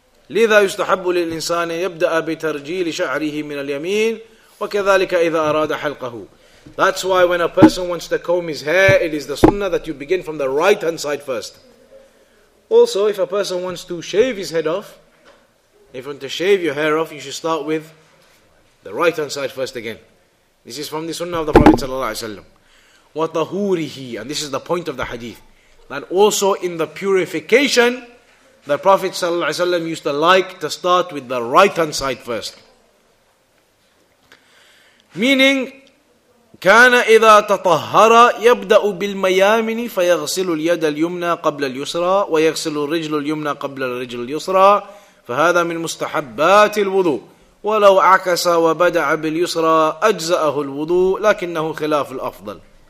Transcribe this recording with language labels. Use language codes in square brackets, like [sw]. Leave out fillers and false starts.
[ar] لذا يستحب للإنسان يبدأ بترجيل شعره من اليمين وكذلك إذا أراد حلقه. [en] That's why when a person wants to comb his hair, it is the sunnah that you begin from the right hand side first. Also, if a person wants to shave his head off, if you want to shave your hair off, you should start with the right hand side first again. This is from the sunnah of the Prophet sallallahu alaihi wasallam. وَطَهُورِهِ, and this is the point of the hadith, that also in the purification, the Prophet ﷺ used to like to start with the right hand side first. [ar] Meaning, كان إذا تطهر يبدأ بالميامن فيغسل اليد اليمنى قبل اليسرى ويغسل الرجل اليمنى قبل الرجل اليسرى فهذا من مستحبات الوضوء ولو عكس وبدع باليسرى أجزأه الوضوء لكنه خلاف الأفضل.